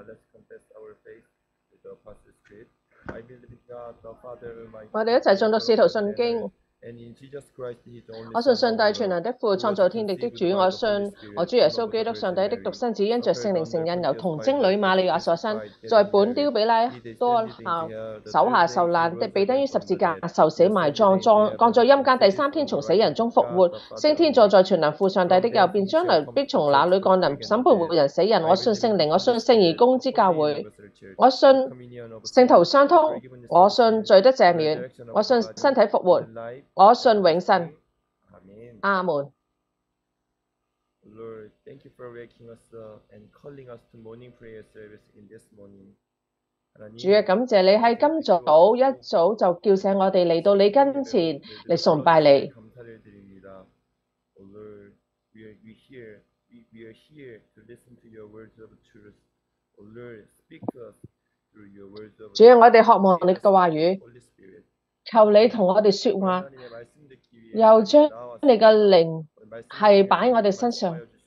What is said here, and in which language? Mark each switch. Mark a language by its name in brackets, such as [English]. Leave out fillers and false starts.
[English] Let's confess our faith with the Apostles' Creed. I believe in God, the Father Almighty, [Cantonese] 我哋一齐进入《使徒信经》。 [English] And in Jesus Christ, his only [Cantonese] 我信上帝全能的父，创造天地的主。我信我主耶稣基督，上帝的独生子，因着圣灵承认，由童贞女玛利亚所生，在本丢比拉多下手下受难，被钉于十字架，受死埋葬，降在阴间，第三天从死人中复活，升天坐在全能父上帝的右边，将来必从那里降临审判活人死人。我信圣灵，我信圣义公之教会，我信圣徒相通，我信罪得赦免，我信身体复活。我信永生。阿门。 [English] Lord, thank you for waking us up and calling us to morning prayer service in this morning. [Cantonese] 主啊，感谢你喺今早一早就叫醒我哋嚟到你跟前嚟崇拜你。感谢你，主啊。 [English] Lord, we are here to listen to your words of truth. Lord, speak to us through your words of truth. [Cantonese] 主啊，我哋渴望你嘅话语。求你同我哋说话，又将你嘅灵系摆喺我哋身上。